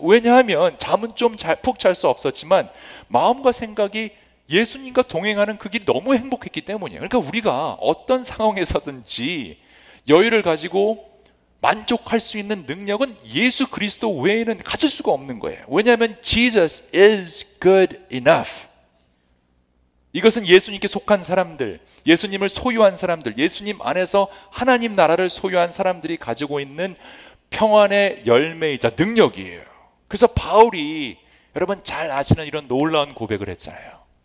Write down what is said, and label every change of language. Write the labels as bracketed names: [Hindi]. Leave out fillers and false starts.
[Korean] 왜냐하면 잠은 좀푹잘수 없었지만 마음과 생각이 예수님과 동행하는 그 길이 너무 행복했기 때문이에요. 그러니까 우리가 어떤 상황에서든지 여유를 가지고 만족할 수 있는 능력은 예수 그리스도 외에는 가질 수가 없는 거예요. 왜냐하면 [English] Jesus is good enough. [Korean] 이것은 예수님께 속한 사람들, 예수님을 소유한 사람들, 예수님 안에서 하나님 나라를 소유한 사람들이 가지고 있는 평안의 열매이자 능력이에요. 그래서 바울이 여러분 잘 아시는 이런 놀라운 고백을 했잖아요.